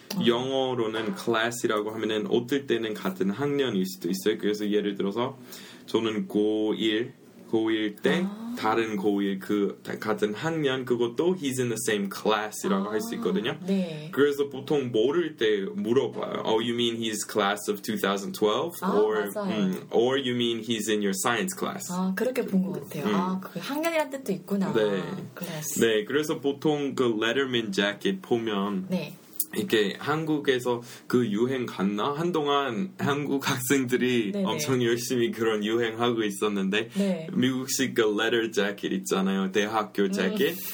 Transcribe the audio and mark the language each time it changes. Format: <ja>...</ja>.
<ko>영어로는 class이라고 하면은 어떨 때는 같은 학년일 수도 있어요. 그래서 예를 들어서 저는 고1 때 다른 고1 그 같은 학년 그것도</ko> <en>he's in the same class</en> <ko>이라고 할 수 있거든요. 네. 그래서 보통 모를 때 물어봐요.</ko> <en>Oh, you mean he's class of 2012?</en> <ko>맞아요.</ko> <en>Or you mean he's in your science class?</en> <ko>그렇게 본 것 같아요. 그 학년이란 뜻도 있구나. 네.</ko> <en>Class.</en> <ko>네, 그래서 보통 그 letterman jacket 보면 네. 이렇게 한국에서 그 유행 갔나? 한동안 한국 학생들이 네네. 엄청 열심히 그런 유행하고 있었는데 네. 미국식 그 레더 재킷 있잖아요. 대학교 재킷.</ko>